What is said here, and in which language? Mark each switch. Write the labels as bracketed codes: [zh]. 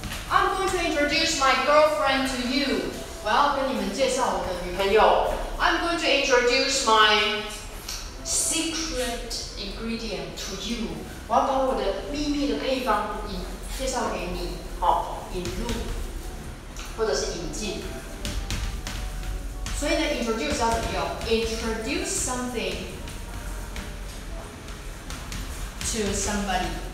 [en] I'm going to introduce my girlfriend to you。 [zh] 我要跟你们介绍我的女朋友。 [en] I'm going to introduce my secret ingredient to you. [zh] 我要把我的秘密的配方介绍给你，好，引入或者是引进。所以呢 ，introduce 要怎么用 ？ [en] Introduce something to somebody，